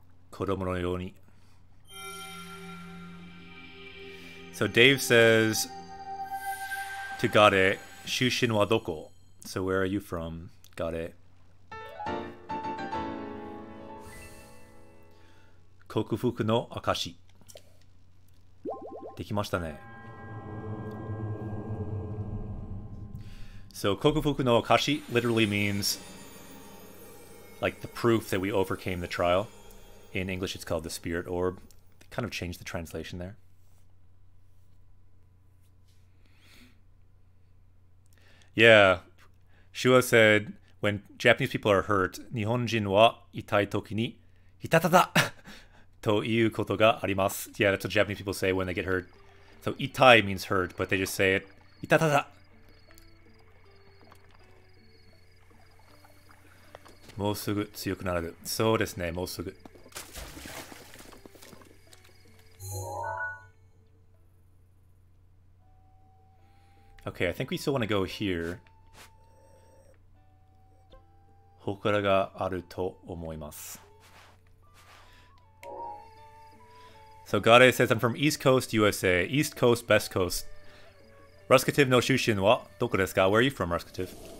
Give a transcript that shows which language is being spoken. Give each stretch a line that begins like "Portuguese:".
Japanese: 子供のように.
English: So Dave says to Gare,
Japanese: 出身はどこ?
English: So where are you from, Gare?
Japanese: 克服の証できましたね。
English: So, 克服の証 literally means like the proof that we overcame the trial. In English, it's called the spirit orb. Kind of changed the translation there. Yeah, Shua said, when Japanese people are hurt,
Japanese: 日本人は痛い時に、痛ただということがあります。
English: Yeah, that's what Japanese people say when they get hurt. So, 痛い means hurt, but they just say it, 痛ただ。
Japanese: もうすぐ強くなる。そうですね、もうすぐ。
English: Okay, I think we still want to go here.
Japanese: ほくらがあると思います。
English: So Gare says, I'm from East Coast, USA. East Coast, best coast. Ruskative
Japanese: no shushin wa doko desu ka?
English: Where are you from, Ruskative?